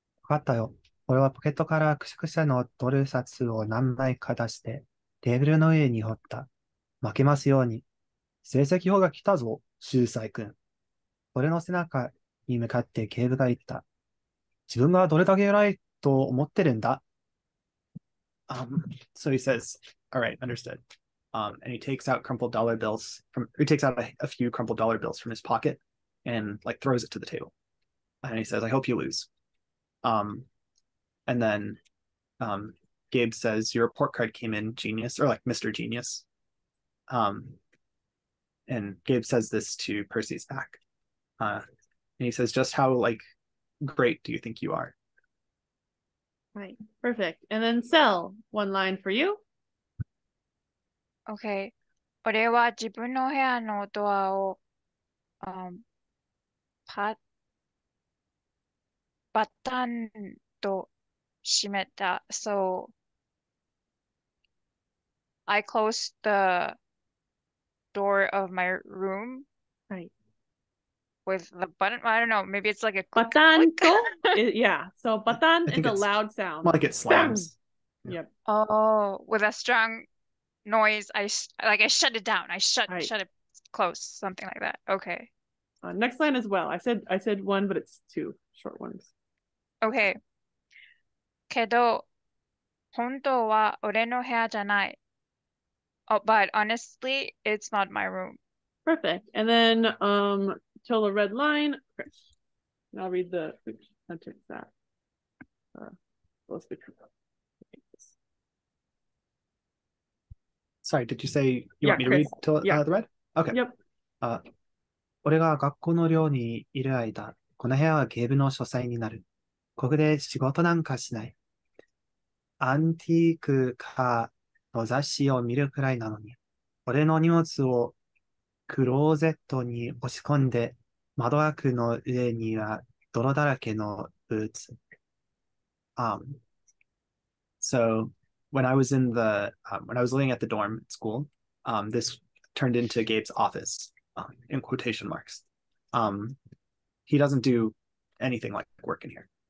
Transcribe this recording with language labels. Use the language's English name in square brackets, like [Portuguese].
[Japanese] わかったよ。俺はポケットからクシクシのドル札を何枚か出して、テーブルの上に掘った。負けますように。成績表が来たぞ、秀才君。俺の背中に向かって警部が言った。自分がどれだけ偉いと思ってるんだ。 [English] So he says, all right, understood. And he takes out crumpled dollar bills from, he takes out a few crumpled dollar bills from his pocket and like throws it to the table. And he says, I hope you lose. And then Gabe says, your report card came in, genius, or like Mr. Genius. And Gabe says this to Percy's back. And he says, just how like great do you think you are? Right. Perfect. And then Sel, one line for you. Okay. [Japanese] 俺は自分の部屋のドアを、バタンと閉めた。 [English] So, I closed the door of my room. Right. With the button. I don't know. Maybe it's like a バタンと?Yeah. So, バタンis a loud sound. Like it slams. Yep. Oh, with a strong noise, I shut it down. Shut it close, something like that. Okay. Next line as well. I said one, but it's two short ones. Okay. [Japanese] けど本当は俺の部屋じゃない。 [English] Oh, but honestly, it's not my room. Perfect. And then till the red line, Chris. And I'll read the sentence that. Let's be true. Sorry, did you say you want me to read till the red? Okay. Yep. [Japanese] 俺が学校の寮にいる間、この部屋はゲームの書斎になる。ここで仕事なんかしない。アンティークかの雑誌を見るくらいなのに、俺の荷物をクローゼットに押し込んで、窓枠の上には泥だらけのブーツ。 [English] So... When I was living at the dorm at school, this turned into Gabe's office, in quotation marks. He doesn't do anything like work in here.